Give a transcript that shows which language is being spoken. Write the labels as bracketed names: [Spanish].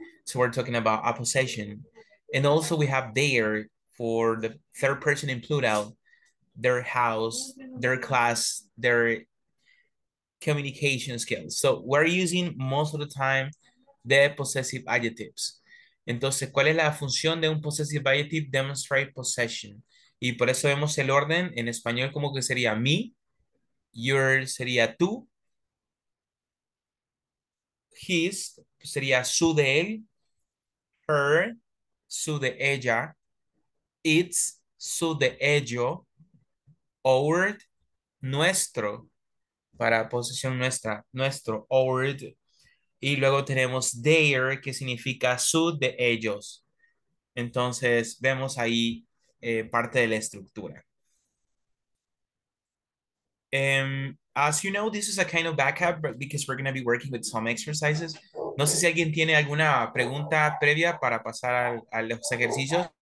[English] So we're talking about a possession. And also we have there for the third person in plural, their house, their class, their communication skills. So we're using most of the time the possessive adjectives. [Spanish] Entonces, ¿cuál es la función de un possessive adjective? [English] Demonstrate possession. [Spanish] Y por eso vemos el orden en español como que sería me, your sería tú, his sería su de él, her, su de ella, it's, su de ello, our, nuestro, para posición nuestra, nuestro, our, y luego tenemos their, que significa su de ellos. Entonces, vemos ahí parte de la estructura. [English] As you know, this is a kind of backup because we're going to be working with some exercises. [Spanish] No sé si alguien tiene alguna pregunta previa para pasar a los ejercicios.